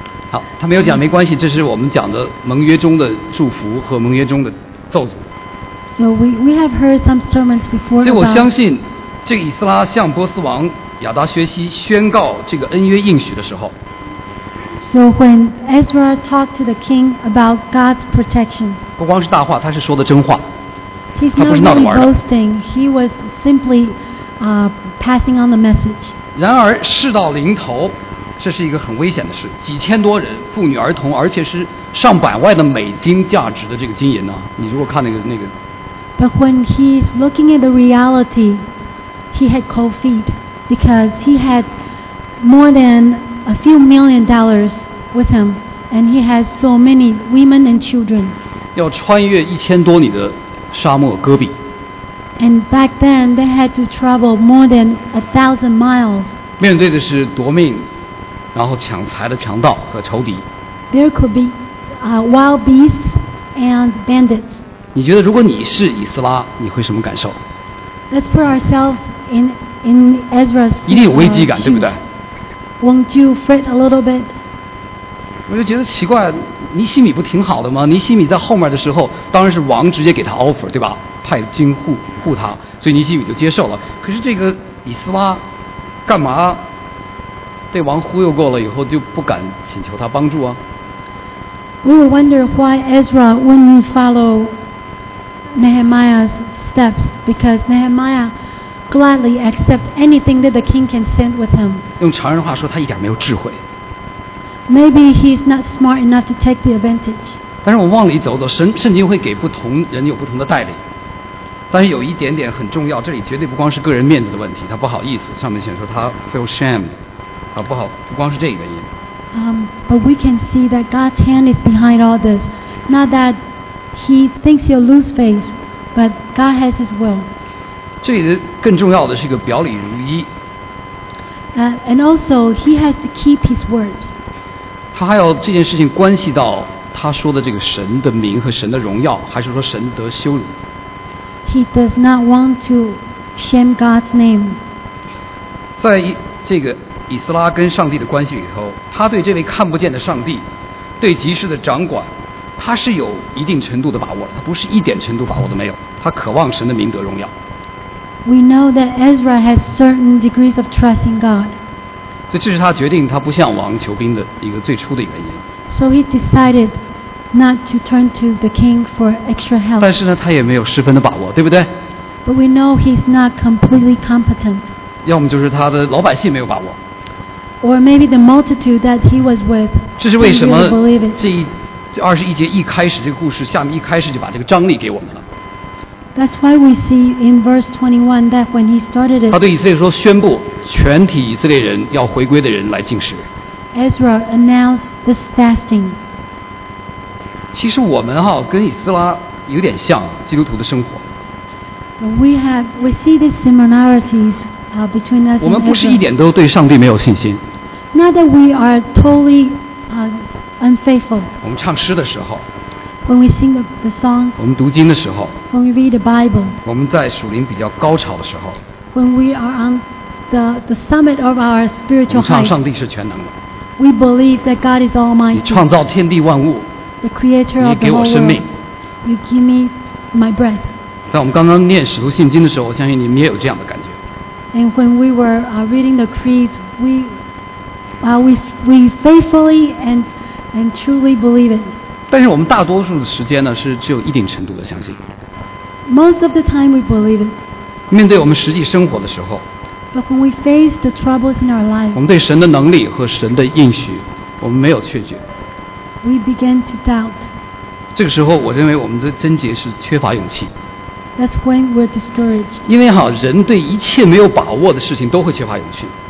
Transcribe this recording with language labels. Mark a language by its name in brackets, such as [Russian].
[Chinese] 好，他没有讲没关系，这是我们讲的盟约中的祝福和盟约中的咒诅。 [English] So we have heard some sermons before. [Chinese] 所以我相信，这个以斯拉向波斯王亚达薛西宣告这个恩约应许的时候。 [English] So when Ezra talked to the king about God's protection. [Chinese] 不光是大话，他是说的真话。 [English] He's not really boasting. He was simply passing on the message. [Chinese] 然而事到临头，这是一个很危险的事。几千多人，妇女儿童，而且是上百万的美金价值的这个金银呢、啊？你如果看那个。 [English] But when he's looking at the reality, he had cold feet because he had more than a few million dollars with him, and he has so many women and children. [Chinese] 要穿越一千多里的沙漠戈壁。 [English] And back then, they had to travel more than 1,000 miles. [Chinese] 面对的是夺命，然后抢财的强盗和仇敌。 [English] There could be wild beasts and bandits. [Chinese] 你觉得如果你是以斯拉，你会什么感受 [English] ？Let's put ourselves in Ezra's. [Chinese] 一定有危机感，对不对 [English] ？Won't you fret a little bit? [Chinese] 我就觉得奇怪，尼西米不挺好的吗？尼西米在后面的时候，当然是王直接给他 offer， 对吧？派军护他，所以尼西米就接受了。可是这个以斯拉干嘛对王忽悠过了以后就不敢请求他帮助啊？ [English] We will wonder why Ezra wouldn't follow Nehemiah's steps because Nehemiah gladly accept anything that the king can send with him. [Chinese] 用常人的话说，他一点没有智慧。 [English] Maybe he's not smart enough to take the advantage. [Chinese] 但是我往里走走，圣经会给不同人有不同的带领。但是有一点点很重要，这里绝对不光是个人面子的问题，他不好意思，上面写说他 [English] feel shamed。 [Chinese] 不好，不光是这个原因。 [English] But we can see that God's hand is behind all this. Not that He thinks you'll lose faith, but God has His will. [Chinese] 这里的更重要的是一个表里如一。 [English] And also, He has to keep His words. [Chinese] 他还要这件事情关系到他说的这个神的名和神的荣耀，还是说神得羞辱？ [English] He does not want to shame God's name. [Chinese] 在这个以斯拉跟上帝的关系里头，他对这位看不见的上帝，对及时的掌管，他是有一定程度的把握，他不是一点程度把握都没有，他渴望神的名得荣耀。 [English] We know that Ezra has certain degrees of trust in God. [Chinese] 所以这是他决定他不向王求兵的一个最初的原因。 [English] So he decided not to turn to the king for extra help. [Chinese] 但是呢，他也没有十分的把握，对不对？ [English] But we know he's not completely competent. [Chinese] 要么就是他的老百姓没有把握。 [English] Or maybe the multitude that he was with. [Chinese] 这是为什么这二十一节一开始这个故事下面一开始就把这个张力给我们了。 [English] That's why we see in verse 21 that when he started it, [Chinese] 他对以色列说宣布全体以色列人要回归的人来进食。 [English] Ezra announced this fasting. [Chinese] 其实我们哈跟以斯拉有点像基督徒的生活。 [English] We see these similarities between us. [Chinese] 我们不是一点都对上帝没有信心。 [English] Not that we are totally unfaithful. [Chinese] 我们唱诗的时候。 [English] When we sing the songs, [Chinese] 我们读经的时候 [English] when we read the Bible, [Chinese] 我们在属灵比较高潮的时候 [English] when we are on the summit of our spiritual height, [Chinese] 我们唱上帝是全能的 [English] we believe that God is almighty, [Chinese] 你创造天地万物 [English] the creator of the whole world, you give me my breath. [Chinese] 在我们刚刚念使徒信经的时候我相信你们也有这样的感觉 [English] and when we were reading the creeds, we faithfully and truly believe it. [Chinese] 但是我们大多数的时间呢，是只有一定程度的相信。 [English] Most of the time we believe it. [Chinese] 面对我们实际生活的时候。 [English] But when we face the troubles in our life. [Chinese] 我们对神的能力和神的应许，我们没有确据。 [English] We begin to doubt. [Chinese] 这个时候，我认为我们的症结是缺乏勇气。 [English] That's when we're discouraged. [Chinese] 因为哈，人对一切没有把握的事情都会缺乏勇气。